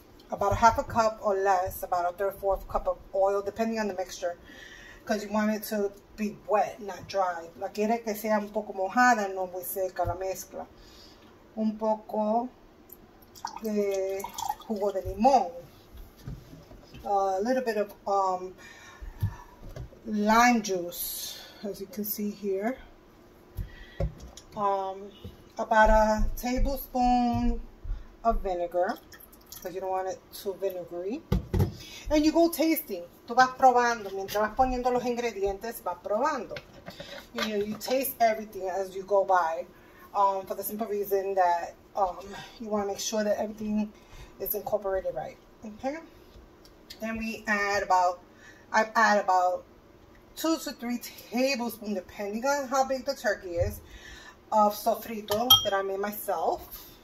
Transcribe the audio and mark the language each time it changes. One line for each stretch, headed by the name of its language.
English: About a half a cup or less, about a third, fourth cup of oil, depending on the mixture. Because you want it to be wet, not dry.
Spanish: La quiere que sea un poco mojada, no muy seca la mezcla. Un poco de jugo de limón.
English: A little bit of lime juice, as you can see here. About a tablespoon of vinegar, because you don't want it too vinegary. And you go tasting.
Spanish: Tú vas probando, mientras vas poniendo los ingredientes, vas probando.
English: You taste everything as you go by, for the simple reason that you want to make sure that everything is incorporated right. Okay? Then I add about 2 to 3 tablespoons, depending on how big the turkey is, of sofrito that I made myself.